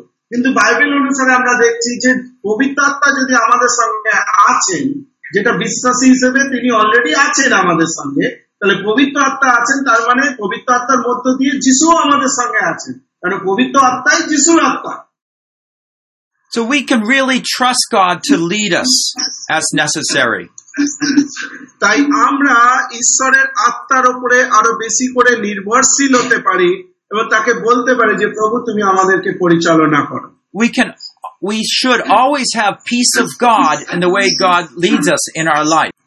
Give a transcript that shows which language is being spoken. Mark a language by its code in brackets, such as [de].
[bn] কিন্তু বাইবেল অনুসারে আমরা দেখছি যে পবিত্র আত্মা যদি আমাদের সঙ্গে আছেন, যেটা বিশ্বাসী হিসেবে তিনি অলরেডি আছেন আমাদের সঙ্গে, তাহলে পবিত্র আত্মা আছেন, তার মানে পবিত্র আত্মার মধ্য দিয়ে যিশুও আমাদের সঙ্গে আছেন, কারণ পবিত্র আত্মাই যিশুর আত্মা. [en] So we can really trust God to lead us as necessary. [bn] তাই আমরা ঈশ্বরের আত্মার উপরে আরো বেশি করে নির্ভরশীল হতে পারি এবং তাকে বলতে পারে যে প্রভু তুমি আমাদেরকে পরিচালনা করো. [en] We should always have peace of God in the way God leads us in our life.